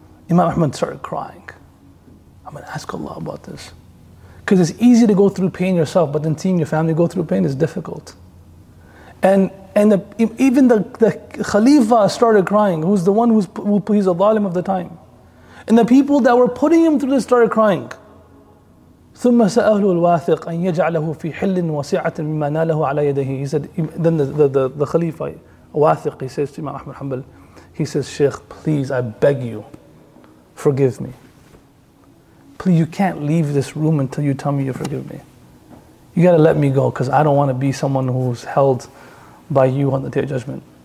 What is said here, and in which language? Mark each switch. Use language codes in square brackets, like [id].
[en] Imam Ahmad started crying. I'm going to ask Allah about this. Because it's easy to go through pain yourself, but then seeing your family go through pain is difficult. And even the Khalifa started crying, who's the one who's a zalim of the time. And the people that were putting him through this started crying. [ar] ثم سأهل الواثق أن يجعله في حل وسعة مما ناله على يده. [en] He said, then the Khalifa, Wathiq, he says to Imam Ahmad Hanbal, he says, Shaykh, please, I beg you, forgive me. Please, you can't leave this room until you tell me you forgive me. You gotta let me go, because I don't want to be someone who's held by you on the Day of Judgment.